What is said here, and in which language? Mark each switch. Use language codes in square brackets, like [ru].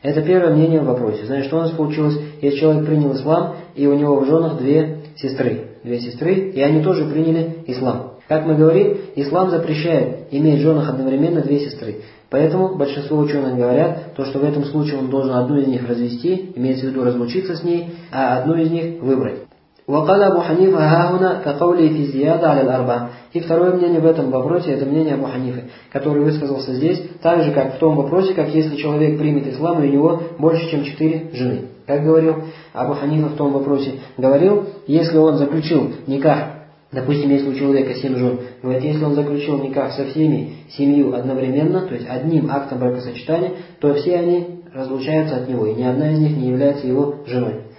[ru] Это первое мнение в вопросе. Значит, что у нас получилось, если человек принял ислам, и у него в женах две сестры. Две сестры, и они тоже приняли ислам. Как мы говорим, ислам запрещает иметь в женах одновременно две сестры. Поэтому большинство ученых говорят, то, что в этом случае он должен одну из них развести, имеется в виду разлучиться с ней, а одну из них выбрать. [ar] وقال أبو حنيفة هاهنا كقوله في زيادة على الأربعة. [ru] И второе мнение в этом вопросе, это мнение Абу Ханифы, который высказался здесь, так же как в том вопросе, как если человек примет ислам, и у него больше, чем четыре жены. Как говорил Абу Ханифа в том вопросе? Говорил, если он заключил никах, допустим, если у человека семь жен, говорит, если он заключил никах со всеми семью одновременно, то есть одним актом бракосочетания, то все они разлучаются от него, и ни одна из них не является его женой.